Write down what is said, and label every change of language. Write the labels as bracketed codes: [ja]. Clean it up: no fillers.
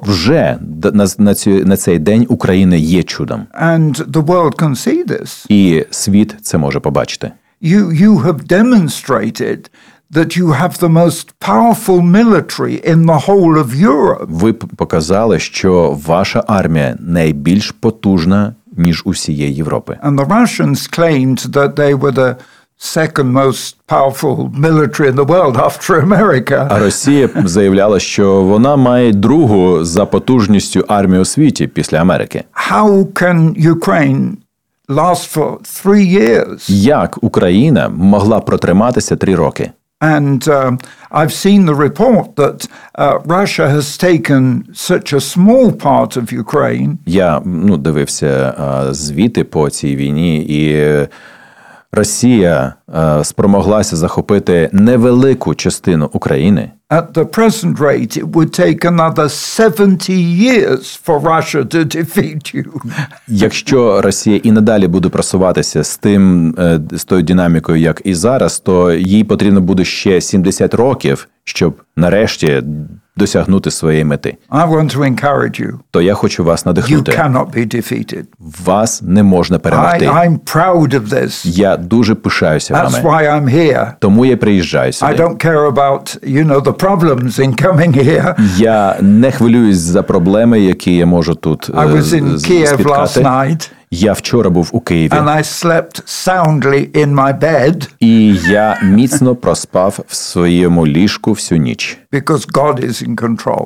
[uk] Вже на цей день Україна є чудом. [en] And the world can see this. [uk] І світ це може побачити. [en] You have demonstrated that you have the most powerful military in the whole of Europe. [uk] Ви показали, що ваша армія найбільш потужна, ніж усієї Європи. [en] And the Russians claimed that they were the second most powerful military in the world after America. [uk] А Росія заявляла, що вона має другу за потужністю армію у світі після Америки. [en] How can Ukraine last for 3 years? [uk] Як Україна могла протриматися 3 роки? [en] And I've seen the report that Russia has taken such a small part of Ukraine. [uk] Я, ну, дивився звіти по цій війні, і Росія спромоглася захопити невелику частину України. [en] At the present rate, it would take another 70 years for Russia to defeat you. [uk] Якщо Росія і надалі буде просуватися з тим, з тою динамікою, як і зараз, то їй потрібно буде ще 70 років, щоб нарешті досягнути своєї мети. [en] I want to encourage you. [uk] То я хочу вас надихнути. [en] You cannot be defeated. [uk] Вас не можна перемогти. [en] I'm proud of this. [uk] Я дуже пишаюся [en] That's [uk] вами. [en] Why I'm here. [uk] Тому я приїжджаю сюди. [en] I don't care about, you know, the problems in coming here. [uk] Я не хвилююсь за проблеми, які я можу тут [en] I was in Kiev last night. [uk] Я вчора був у Києві. [en] And I slept soundly in my bed. [uk] І я міцно проспав в своєму ліжку всю ніч. [en] Because God is in control.